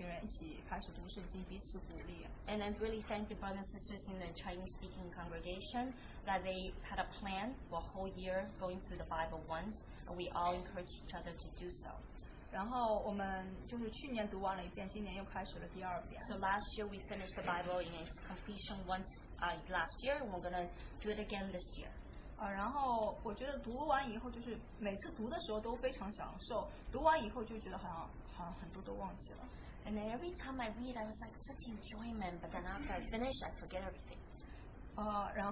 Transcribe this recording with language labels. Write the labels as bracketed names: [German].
[Chinese] 然后很感谢中文组的弟兄姐妹，然后制定了计划，然后我们一群人一起开始读圣经，彼此鼓励。 [English] And I'm really thankful to brothers and sisters in the Chinese speaking congregation that they had a plan for a whole year going through the Bible once, and we all encourage each other to do so. [Chinese] 然后我们就是去年读完了一遍，今年又开始了第二遍。 [English] So last year we finished the Bible in its completion once last year, and we're going to do it again this year. [Chinese] 然后我觉得读完以后就是每次读的时候都非常享受，读完以后就觉得好像很多都忘记了。 [English] And then every time I read, I was like such enjoyment, but then after I finish, I forget everything.